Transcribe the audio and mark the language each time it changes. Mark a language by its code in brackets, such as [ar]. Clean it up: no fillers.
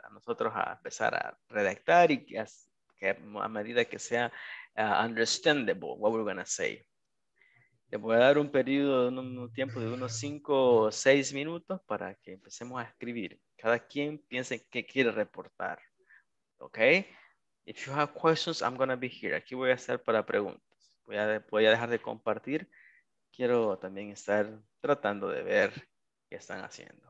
[es] Nosotros a empezar a redactar y a medida que sea [en] understandable what we're going to say. [es] Le voy a dar un periodo de un tiempo de unos 5 o 6 minutos para que empecemos a escribir. Cada quien piense qué quiere reportar. Ok. [en] If you have questions, I'm going to be here. [es] Aquí voy a estar para preguntas. Voy a dejar de compartir. Quiero también estar tratando de ver qué están haciendo.